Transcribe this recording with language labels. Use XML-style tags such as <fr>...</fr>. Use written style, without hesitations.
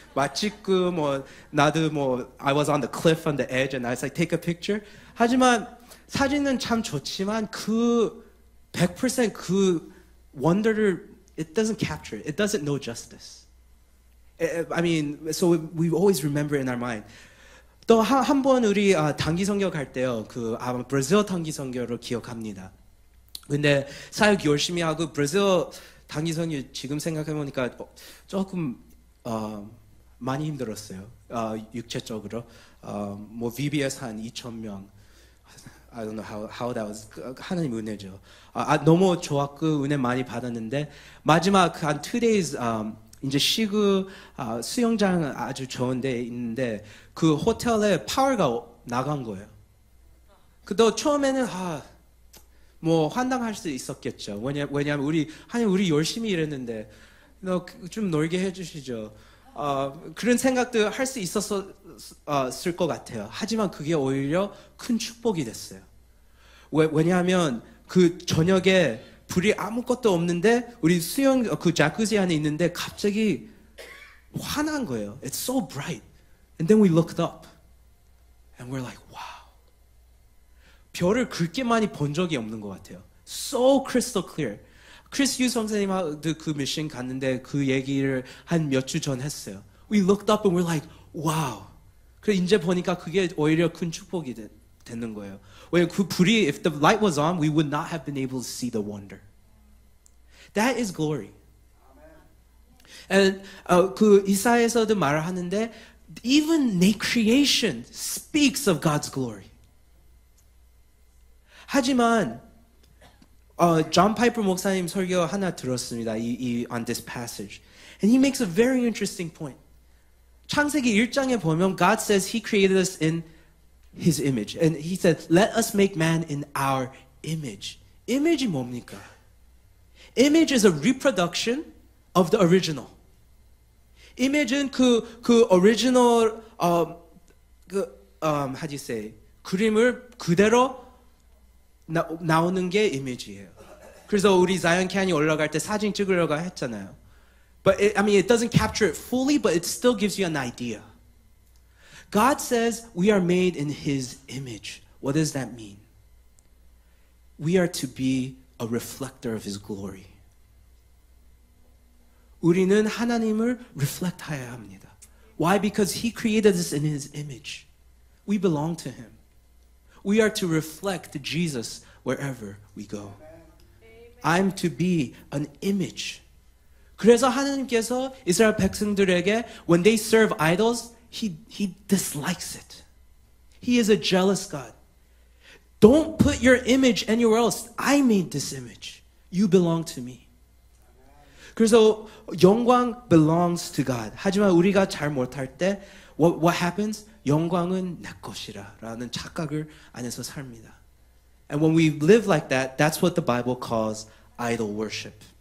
<ko>마치고 뭐 나도 뭐</ko> <en>I was on the cliff on the edge and I was like take a picture.</en> <ko>하지만 사진은 참 좋지만 그 100% 그 wonder를</ko> <en>it doesn't capture. It doesn't know justice. I mean, so we always remember in our mind.</en> <ko>또 한 번 우리 단기 선교 갈 때요. 그 아마 브라질 단기 선교를 기억합니다. 근데 사역 열심히 하고 브라질 단기 선교 지금 생각해보니까 조금 많이 힘들었어요. 육체적으로 뭐 VBS 한 2,000명</ko> <en>I don't know how that was</en> <ko>하나님 은혜죠. 너무 좋았고 은혜 많이 받았는데 마지막 한 2 days 이제 쉬고 수영장 아주 좋은 데 있는데 그 호텔에 파워가 나간 거예요. 그래도 처음에는 뭐 환당할 수 있었겠죠. 왜냐면 우리 하나님 우리 열심히 일했는데 너 좀 놀게 해주시죠. 그런 생각도 할 수 있었을 것 같아요. 하지만 그게 오히려 큰 축복이 됐어요. 왜냐하면 그 저녁에 불이 아무것도 없는데 우리 수영 그 자쿠지 안에 있는데 갑자기 환한 거예요.</ko> <en>It's so bright. And then we looked up and we're like, wow.</en> <ko>별을 그렇게 많이 본 적이 없는 것 같아요.</ko> <en>So crystal clear.</en> <ko>크리스 유 선생님하고 그 미션 갔는데 그 얘기를 한 몇 주 전 했어요.</ko> <en>We looked up and we're like, wow.</en> <ko>그래서 이제 보니까 그게 오히려 큰 축복이 되는 거예요. 왜냐면 그 불이,</ko> <en>if the light was on, we would not have been able to see the wonder. That is glory. And</en> <ko>그 이사야에서도 말을 하는데</ko> <en>even creation speaks of God's glory.</en> <ko>하지만 존 파이퍼 목사님 설교 하나 들었습니다.</ko> <en>On this passage. And he makes a very interesting point.</en> <ko>창세기 1장에 보면</ko> <en>God says he created us in his image. And he said, let us make man in our image.</en> <ko>Image이 뭡니까?</ko> <en>Image is a reproduction of the original.</en> <ko>Image은 그 original,</ko> <en>how do you say,</en> <ko>그림을 그대로 나오는 게 이미지예요. 그래서 우리 자이언 캐니 올라갈 때 사진 찍으려고 했잖아요.</ko> <en>But it, I mean, it doesn't capture it fully, but it still gives you an idea. God says we are made in His image. What does that mean? We are to be a reflector of His glory.</en> <ko>우리는 하나님을 reflect해야 합니다.</ko> <en>Why? Because He created us in His image. We belong to Him. We are to reflect Jesus wherever we go. I'm to be an image.</en> <ko>그래서 하나님께서 이스라엘 백성들에게</ko> <en>when they serve idols, he dislikes it. He is a jealous God. Don't put your image anywhere else. I made this image. You belong to me.</en> <ko>그래서 영광</ko> <en>belongs to God.</en> <ko>하지만 우리가 잘 못할 때</ko> <en>what happens?</en> <ko>영광은 내 것이라 라는 착각을 안에서 삽니다.</ko> <en>And when we live like that, that's what the Bible calls idol worship.</en>